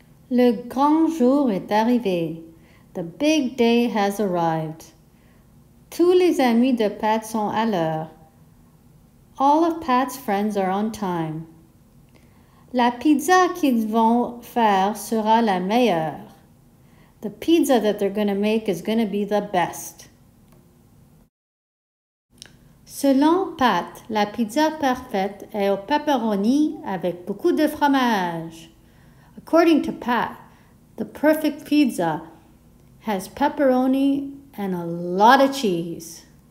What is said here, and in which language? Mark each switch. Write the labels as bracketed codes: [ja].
[fr] Le grand jour est arrivé. [en] The big day has arrived. [fr] Tous les amis de Pat sont à l'heure. [en] All of Pat's friends are on time. [fr] La pizza qu'ils vont faire sera la meilleure. [en] The pizza that they're going to make is going to be the best. [fr] Selon Pat, la pizza parfaite est au pepperoni avec beaucoup de fromage. [en] According to Pat, the perfect pizza has pepperoni and a lot of cheese.